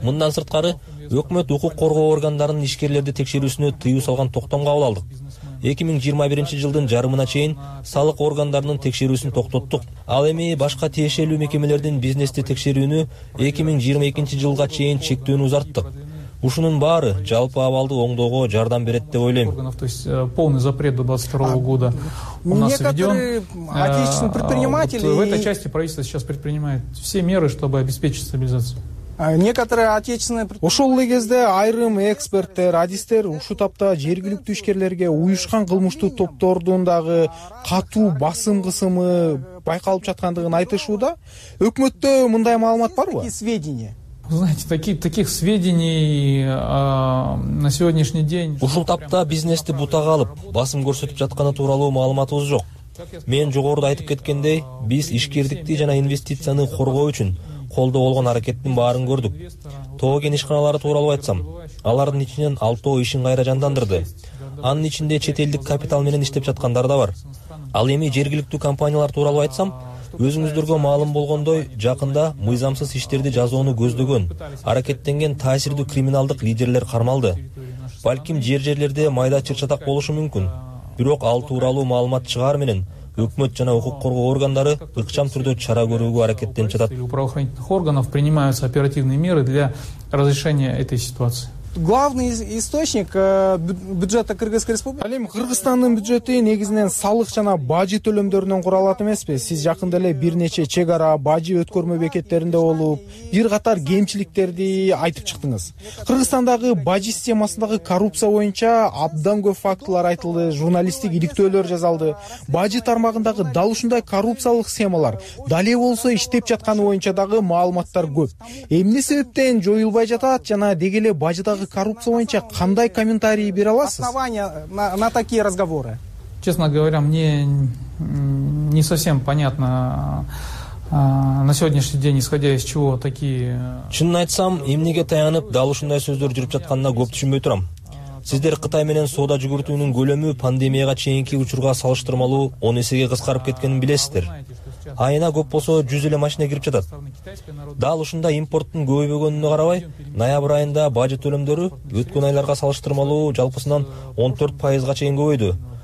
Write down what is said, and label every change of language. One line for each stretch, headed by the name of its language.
Kyrgyz: Мындан сырткары өкмөт укук коргоо органдарынын ишкерлерди текшерүүсүнө тыюу салган токтом кабыл алдык. 2021 жылдын жарымына чейин салык органдарынын текшерүүсүн токтоттук. Ал эми башка тиешелүү мекемелердин бизнести текшерүүнү 2022 жылга чейин чектөөнү узарттык. Ушунун баары жалпы абалды оңдоого жардам берет деп ойлойм.
Russian: То есть полный запрет до 22 года у нас введен. Некоторые отечественные предприниматели... В этой части правительство сейчас предпринимает все меры, чтобы обеспечить стабилизацию. Некоторые отечественные
Kyrgyz: ошол эле кезде айрым эксперттер, радистер ушул тапта жергиликтүү ишкерлерге уюшкан кылмыштуу топтордун дагы катуу басым кысымы байкалып жаткандыгын айтышууда. Өкмөттө мындай маалымат барбы?
Russian: Вы знаете, таких сведений на сегодняшний день.
Kyrgyz: Ушул тапта бизнести бутага алып, басым көрсөтүп жатканы тууралуу маалыматыбыз жок. Мен жогоруда айтып кеткендей, биз ишкердикти жана инвестицияны коргоо үчүн колдо болгон аракеттин баарын көрдүк. Тоо кен ишканалары тууралуу айтсам, алардын ичинен 6 ишин кайра жандандырды. Анын ичинде чет элдик капитал менен иштеп жаткандар да бар. Ал эми жергиликтүү компаниялар тууралуу айтсам, өзүңүздөргө маалым болгондой, жакында мыйзамсыз иштерди жазууну көздөгөн, аракеттенген таасирдүү криминалдык лидерлер кармалды. Балким жер-жерлерде майда чыр-чатак болушу мүмкүн. Бирок ал тууралуу маалымат чыгаар менен өкмөт жана укук коргоо органдары ыкчам түрдө чара көрүүгө аракеттенип жатат.
Russian: У правоохранительных органов принимаются оперативные меры для разрешения этой ситуации. Главный источник бюджета Кыргызской Республики.
Kyrgyz: Ал эми Кыргызстандын бюджети негизинен салык жана бажы төлөмдөрүнөн куралат эмеспи? Сиз жакында эле бир нече чек ара, бажы өткөрмө бекеттеринде болуп, бир катар кемчиликтерди айтып чыктыңыз. Кыргызстандагы бажы системасындагы коррупция боюнча абдан көп фактылар айтылды, журналисттик иликтөөлөр жасалды. Бажы тармагындагы дал ушундай коррупциялык схемалар дале болсо иштеп жатканы боюнча дагы маалыматтар көп. Эмне себептен жоюлбай жатат жана деги эле бажы дагы коррупция боюнча кандай комментарий бере аласыз?
Russian: Основания на такие разговоры. Честно говоря, мне не совсем понятно на сегодняшний день, исходя из чего такие.
Kyrgyz: Чынын айтсам, эмнеге таянып дал ушундай сөздөр жүрүп жатканына көп түшүнбөй турам. Сиздер Кытай менен соода жүгүртүүнүн көлөмү пандемияга чейинки учурга салыштырмалуу 10 эсеге кыскарып кеткенин билесиздер. Айына көп болсо 100 эле машина кирип жатат. Дал ушунда импорттун көбөйбөгөнүнө карабай, ноябрь айында бажы төлөмдөрү өткөн айларга салыштырмалуу жалпысынан 14% чейин көбөйдү.